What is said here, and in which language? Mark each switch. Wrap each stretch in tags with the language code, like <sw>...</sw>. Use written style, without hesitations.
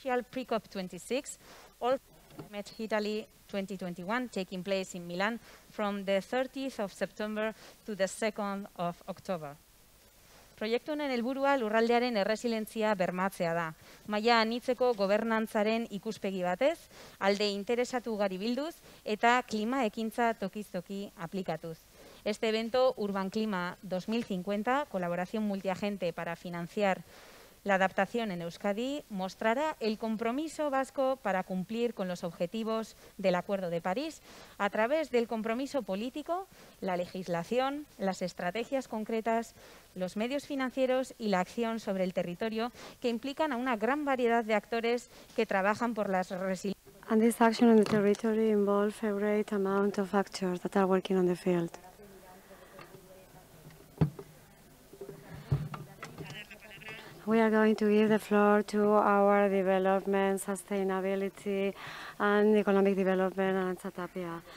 <en>pre-COP 26, All4Climate Italia 2021, taking place in Milan from the 30th of September to the 2nd of October.</en> <eu>Proiektu honen helburua lurraldearen erresilentzia bermatzea da. Maila anitzeko gobernantzaren ikuspegi batez, alde interesatu gari bilduz eta klima ekintza tokiz-toki aplikatuz.</eu> <es>Este evento Urban Klima 2050, colaboración multiagente para financiar la adaptación en Euskadi, mostrará el compromiso vasco para cumplir con los objetivos del Acuerdo de París a través del compromiso político, la legislación, las estrategias concretas, los medios financieros y la acción sobre el territorio que implican a una gran variedad de actores que trabajan por las resiliencias.</es> <en>And this action on the territory involves a great amount of actors that are working on the field. We are going to give the floor to our development, sustainability, and economic development, and Tapia.</en>